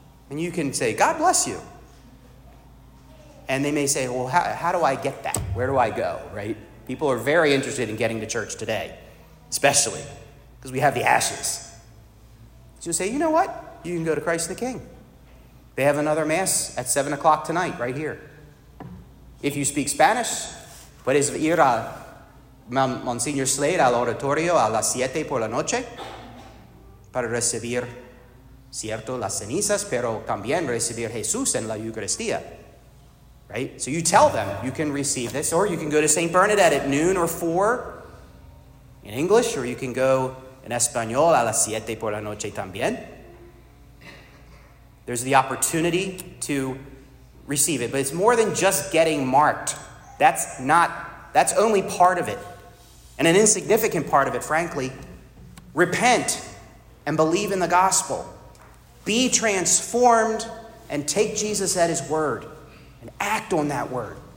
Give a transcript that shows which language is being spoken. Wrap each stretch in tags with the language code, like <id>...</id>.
<en>And you can say, God bless you. And they may say, well, how do I get that? Where do I go? Right? People are very interested in getting to church today, especially because we have the ashes. So you say, you know what? You can go to Christ the King. They have another mass at 7 o'clock tonight, right here.</en> <es>If you speak Spanish, puedes ir a Monsignor Slade al oratorio a las 7 por la noche para recibir, cierto, las cenizas, pero también recibir Jesús en la Eucaristía.</es> <en>Right? So you tell them you can receive this, or you can go to St. Bernadette at noon or 4 in English, or you can go in Espanol</en> <es>a las 7 por la noche también.</es> <en>There's the opportunity to receive it, but it's more than just getting marked. That's only part of it, and an insignificant part of it, frankly. Repent and believe in the gospel. Be transformed and take Jesus at his word and act on that word.</en>